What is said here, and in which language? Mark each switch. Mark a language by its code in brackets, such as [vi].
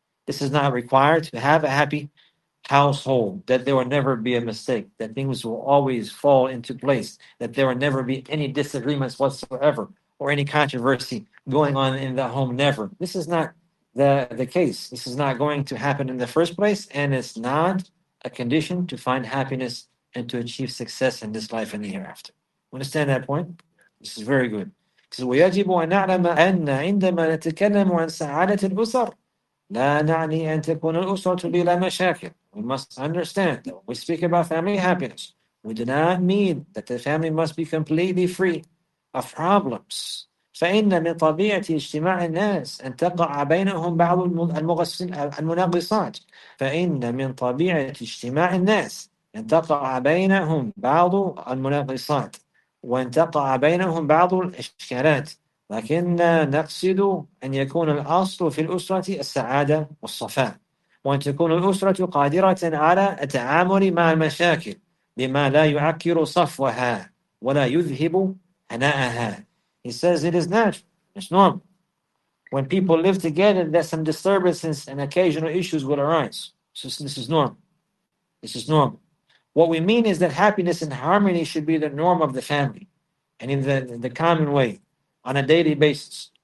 [en] This is not required to have a happy household, that there will never be a mistake, that things will always fall into place, that there will never be any disagreements whatsoever or any controversy going on in the home, never. This is not the case. This is not going to happen in the first place, and it's not a condition to find happiness and to achieve success in this life and the hereafter. Understand that point? This is very good. Because [ar] ويجب أن نعلم أن عندما نتكلم عن سعادة الأسر لا نعني أن تكون الأسرة بلا مشاكل. [en] We must understand that when we speak about family happiness, we do not mean that the family must be completely free of problems. [ar] فإن من طبيعة اجتماع الناس أن تقع بينهم بعض المناقصات. فإن من طبيعة اجتماع الناس أن تقع بينهم بعض المناقصات وأن تقع بينهم بعض الإشكالات. لكن نقصد أن يكون الأصل في الأسرة السعادة والصفاء وأن تكون الأسرة قادرة على التعامل مع المشاكل بما لا يعكر صفوها ولا يذهب هناءها. [en] He says it is natural, it's normal. When people live together, that some disturbances and occasional issues will arise. So this is normal. This is normal. What we mean is that happiness and harmony should be the norm of the family and in the common way, on a daily basis.